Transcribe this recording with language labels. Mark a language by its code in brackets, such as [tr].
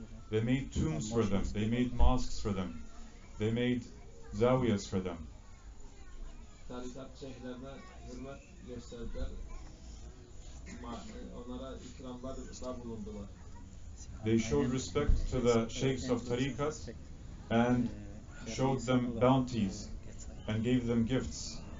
[en] They made tombs for them, they made mosques for them, they made zawiyas for them. [tr] Tarikat şeyhlerine hürmet gösterdiler, onlara ikramlarda bulundular. [en] They showed respect to the sheikhs of tariqas and showed them bounties and gave them gifts.